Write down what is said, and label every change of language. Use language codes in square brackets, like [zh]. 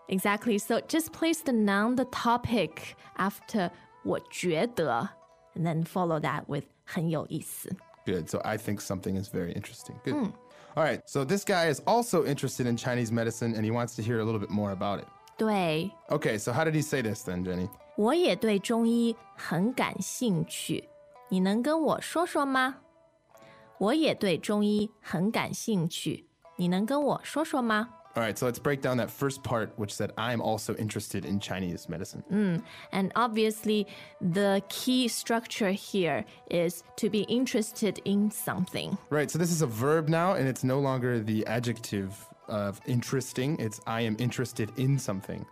[en] Exactly. So just place the noun, the topic, after [zh] 我觉得, [en] and then follow that with [zh] 很有意思。 [en] Good. So I think something is very interesting. Good. All right. So this guy is also interested in Chinese medicine, and he wants to hear a little bit more about it. [zh] 对。 [en] Okay. So how did he say this then, Jenny? [zh] 我也对中医很感兴趣，你能跟我说说吗？我也对中医很感兴趣，你能跟我说说吗？ [en] All right, so let's break down that first part, which said, I'm also interested in Chinese medicine. And obviously, the key structure here is to be interested in something. Right, so this is a verb now, and it's no longer the adjective of interesting. It's I am interested in something.